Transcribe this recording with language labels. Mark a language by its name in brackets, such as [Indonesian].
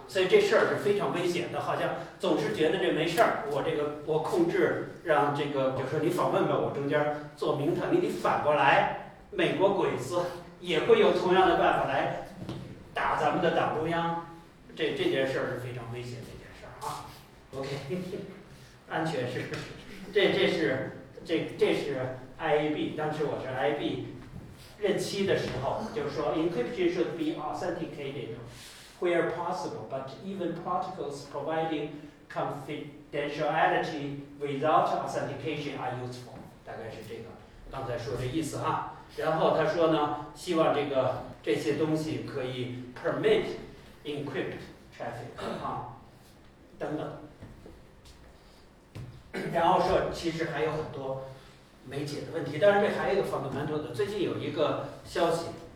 [Chinese] 所以这事儿是非常危险的，好像总是觉得这没事儿，我这个我控制让这个，比如说你访问吧，我中间做名堂，你反过来，美国鬼子也会有同样的办法来打咱们的党中央，这件事儿是非常危险的一件事儿啊。 OK， 安全是，这是 IAB， 当时我是 IAB。任期的时候就是说 [English] encryption should be authenticated where possible, but even protocols providing confidentiality without authentication are useful, [Chinese] 大概是这个刚才说这意思哈。然后他说呢，希望这些东西可以 [English] permit encrypt traffic [Chinese] 哈等等。然后说其实还有很多没解的问题，当然这还有一个 fundamental 的。最近有一个消息，